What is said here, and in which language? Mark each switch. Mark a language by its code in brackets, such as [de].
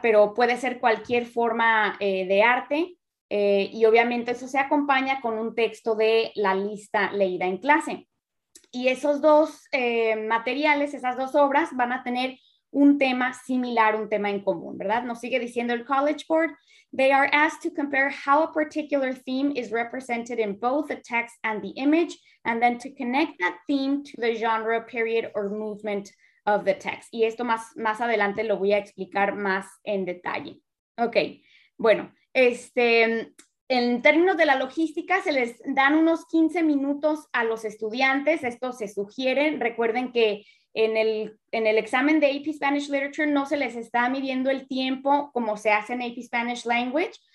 [es] Pero puede ser cualquier forma de arte y obviamente eso se acompaña con un texto de la lista leída en clase. Y esos dos materiales, esas dos obras van a tener un tema similar, un tema en común, ¿verdad? Nos sigue diciendo el College Board: [en] They are asked to compare how a particular theme is represented in both the text and the image, and then to connect that theme to the genre, period, or movement of the text. [es] Y esto más adelante lo voy a explicar más en detalle. Ok, bueno, en términos de la logística, se les dan unos 15 minutos a los estudiantes. Esto se sugiere. Recuerden que en el examen de AP Spanish Literature no se les está midiendo el tiempo como se hace en AP Spanish Language.